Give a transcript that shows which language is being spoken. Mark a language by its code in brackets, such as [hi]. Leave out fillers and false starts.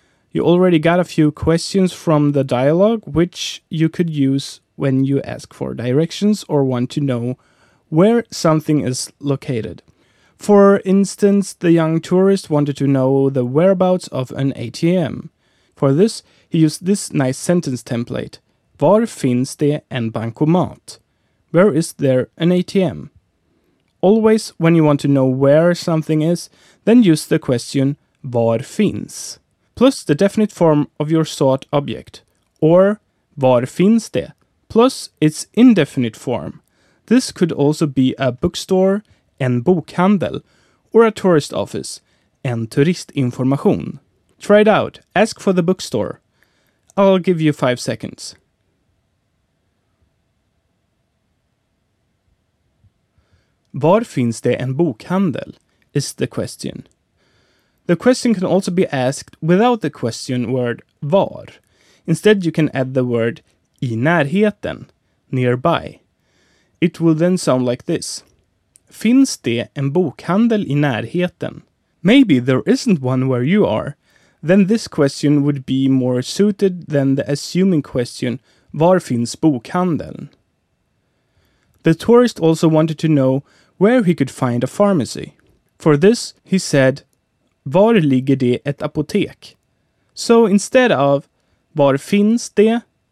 [en] You already got a few questions from the dialogue, which you could use when you ask for directions or want to know where something is located. For instance, the young tourist wanted to know the whereabouts of an ATM. For this, he used this nice sentence template. [sv] Var finns det en bankomat? [en] Where is there an ATM? Always, when you want to know where something is, then use the question [sv] var finns? [en] Plus the definite form of your sought object. Or [sv] var finns det? [en] Plus its indefinite form. This could also be a bookstore, [sv] en bokhandel, [en] or a tourist office, [sv] en turistinformation. [en] Try it out. Ask for the bookstore. I'll give you 5 seconds. [sv] Var finns det en bokhandel? [en] Is the question. The question can also be asked without the question word var. Instead, you can add the word [sv] i närheten, [en] nearby. It will then sound like this. [sv] Finns det en bokhandel i närheten? [en] Maybe there isn't one where you are. Then this question would be more suited than the assuming question, [sv] var finns bokhandeln? [en] The tourist also wanted to know where he could find a pharmacy. For this, he said, [sv] "Var ligger det ett apotek?" [en] So instead of [sv] "Var finns det?"